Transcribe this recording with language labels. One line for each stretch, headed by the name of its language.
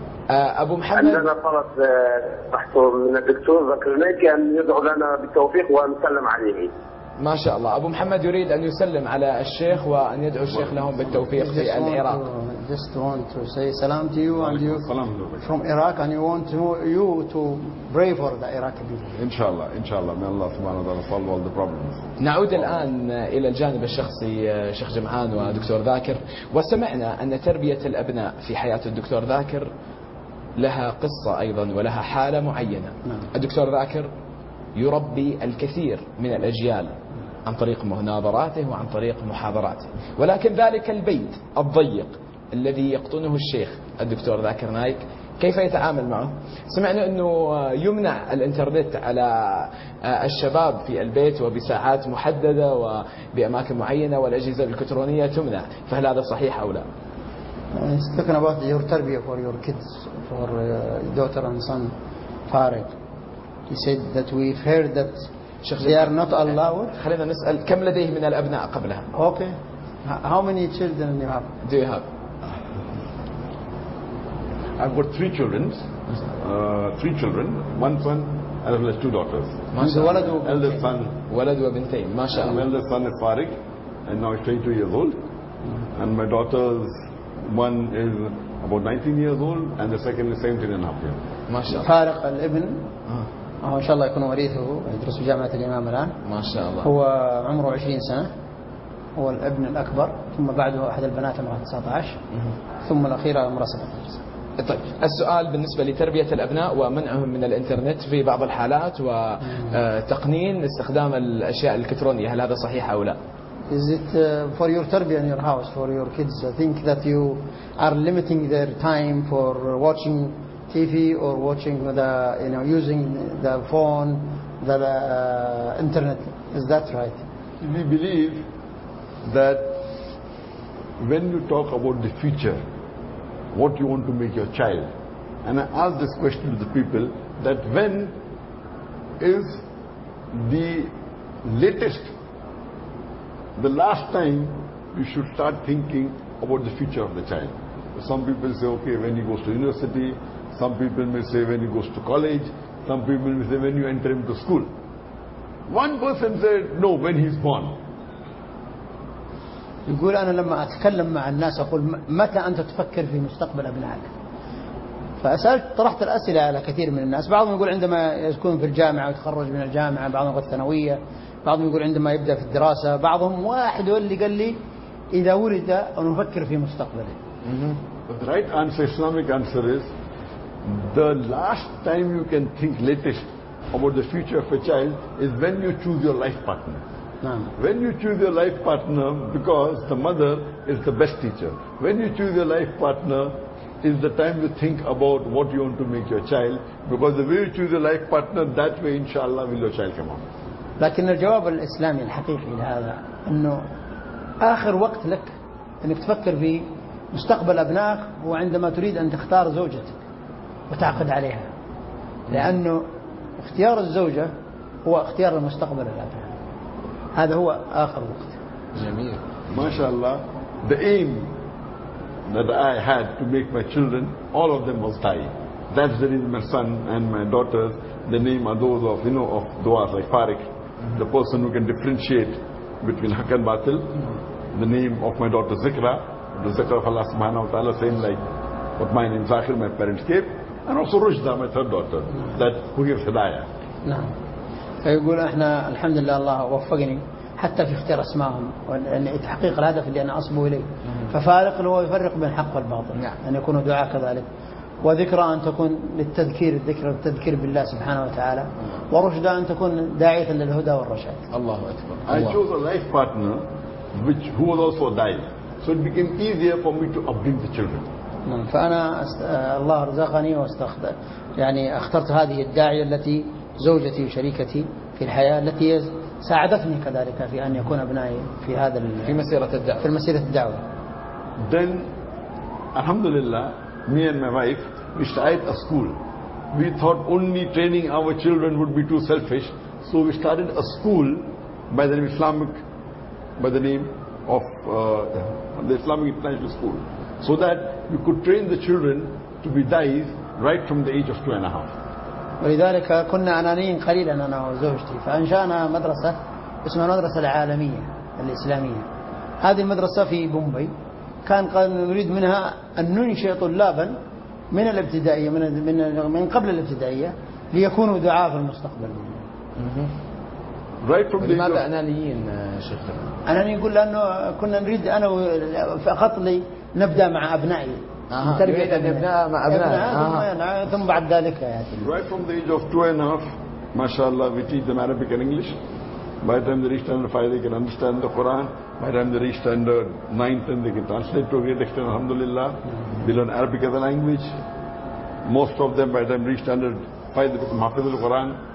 Arabic: أبو محمد عندنا طلب من الدكتور ذكر نايك أن يدعو لنا بالتوفيق ونسلم عليه. ما شاء الله أبو محمد يريد أن يسلم على الشيخ وأن يدعو الشيخ لهم بالتوفيق في العراق.
English: Just want to say salam to you and you from Iraq and want you to pray for the Iraq people.
Arabic: إن شاء الله إن شاء الله من الله سبحانه وتعالى
English: solve all the problems.
Arabic: نعود الآن إلى الجانب الشخصي شيخ جمعان ودكتور ذاكر، وسمعنا أن تربية الأبناء في حياة الدكتور ذاكر لها قصة أيضا ولها حالة معينة. الدكتور ذاكر يربي الكثير من الأجيال عن طريق مناظراته وعن طريق محاضراته، ولكن ذلك البيت الضيق الذي يقطنه الشيخ الدكتور ذاكر نايك كيف يتعامل معه؟ سمعنا أنه يمنع الإنترنت على الشباب في البيت وبساعات محددة وبأماكن معينة والأجهزة الإلكترونية تمنع، فهل هذا صحيح أو لا؟
English: Speaking about your تربية for your kids, for daughter and son, Farid. He said that we've heard that they are not allowed.
Arabic: خلينا نسأل كم لديه من الأبناء قبلها.
English: Okay. How many children you have? Do you have? I've got three children. Three children. One son and two daughters. Eldest son.
Arabic: ولد وبنتين. ما شاء الله.
English: My eldest son is Farik, and now he's 22 years old. And my daughters, one is about 19 years old, and the second is 17 and a half years.
Arabic: ما شاء الله. فارق الابن. إن شاء الله يكون وريثه يدرس في جامعة الإمام الآن. ما شاء الله. هو عمره 20 سنة، هو الابن الأكبر، ثم بعده أحد البنات عمرها 19، ثم الأخيرة عمرها 17. طيب السؤال بالنسبة لتربية الأبناء ومنعهم من الإنترنت في بعض الحالات وتقنين استخدام الأشياء الإلكترونية، هل هذا صحيح أو لا؟
English: Is it for your تربية in your house for your kids? I think that you are limiting their time for watching TV or watching the, you know, using the phone, the internet. Is that right? We believe that when you talk about the future, what you want to make your child, and I ask this question to the people, that when is the latest, the last time you should start thinking about the future of the child? Some people say, okay, when he goes to university. Some people may say when he goes to college. Some people may say when you enter him to school. One person said, no, when he's born.
Arabic: يقول أنا لما أتكلم مع الناس أقول متى أنت تفكر في مستقبل أبنائك؟ فأسألت طرحت الأسئلة على كثير من الناس. بعضهم يقول عندما يكون في الجامعة ويتخرج من الجامعة، بعضهم يقول ثانوية، بعضهم يقول عندما يبدأ في الدراسة، بعضهم واحد اللي قال لي إذا ولد أنا أفكر في مستقبله.
English: The right answer, Islamic answer is the last time you can think latest about the future of a child is when you choose your life partner. When you choose your life partner, because the mother is the best teacher. When you choose your life partner, is the time to think about what you want to make your child. Because the way you choose your life partner, that way, inshallah, will your child come out.
Arabic: لكن الجواب الإسلامي الحقيقي لهذا إنه آخر وقت لك إنك تفكر في مستقبل أبنائك هو عندما تريد أن تختار زوجتك وتعقد عليها، لأنه اختيار الزوجة هو اختيار المستقبل الأبناء. هذا هو آخر وقت. جميل. ما شاء الله.
English: The aim that I had to make my children, all of them was Thai. That's the reason my son and my daughters, the name are those of, you know, of duas like Farik. Mm-hmm. The person who can differentiate between Haq and Batil. Mm-hmm. The name of my daughter Zikra, the Zikra of Allah subhanahu wa ta'ala, same like what my name Zakir, my parents gave. And also Rushda, my third daughter, mm-hmm. that who gives Hidayah.
Arabic: نعم. فيقول احنا الحمد لله الله وفقني حتى في اختيار اسمائهم لتحقيق الهدف اللي انا اصبو اليه. ففارق هو يفرق بين الحق والباطل. نعم. ان يكون دعاء كذلك. وذكرى أن تكون للتذكير، الذكرى للتذكير بالله سبحانه وتعالى، ورشدى أن تكون داعية للهدى والرشاد. الله أكبر.
English: I chose a life partner which who was also daya, so it became easier for me to upbring the children.
Arabic: فأنا الله رزقني واستخد يعني اخترت هذه الداعية التي زوجتي وشريكتي في الحياة التي ساعدتني كذلك في أن يكون ابنائي في هذا في مسيرة الدعوة. في مسيرة الدعوة.
English: Then
Arabic: الحمد لله.
English: Me and my wife, we started a school. We thought only training our children would be too selfish. So we started a school by the name Islamic, by the name of the Islamic International School. So that we could train the children to be da'is right from the age of 2.5.
Arabic: ولذلك كنا أنانيين قليلا أنا وزوجتي. فأنشأنا مدرسة اسمها المدرسة العالمية الإسلامية. هذه المدرسة في بومبي. كان نريد منها أن ننشئ طلابا من الابتدائية من قبل الابتدائية ليكونوا دعاة في المستقبل.
English: Right from
Arabic: لماذا
English: the...
Arabic: أنانيين شيخ؟ أنا نقول لأنه كنا نريد أنا فقط لنبدأ مع أبنائي. تربية الأبناء مع أبنائي. ثم بعد ذلك.
English: Right from the age of 2.5,
Arabic: ما شاء الله,
English: we teach them Arabic and English. By the time they reach standard 5, they can understand the Quran. By the time they reach standard 9-10, they can translate to a great extent, alhamdulillah. They learn Arabic as a language. Most of them, by the time they reach standard 5, they become Hafiz al-Quran.